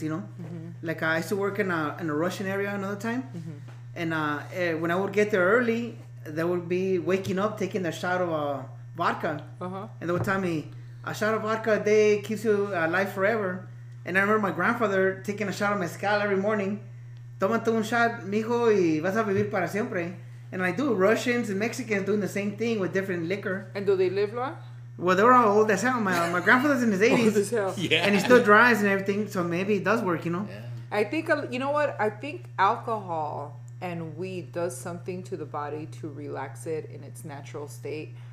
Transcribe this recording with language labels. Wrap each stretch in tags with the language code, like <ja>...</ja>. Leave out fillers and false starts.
<en>You know, like I used to work in a Russian area another time, and when I would get there early, they would be waking up taking a shot of vodka, and they would tell me a shot of vodka a day keeps you alive forever. And I remember my grandfather taking a shot of mezcal every morning.</en> <es>tómate un shot, mijo, y vas a vivir para siempre.</es> <en>And like, dude, Russians and Mexicans doing the same thing with different liquor. And do they live long? Well, they're all old as hell. My grandfather's in his 80s. Old as hell. Yeah. And he still drives and everything, so maybe it does work, you know? Yeah. I think, you know what? I think alcohol and weed does something to the body to relax it in its natural state.</en>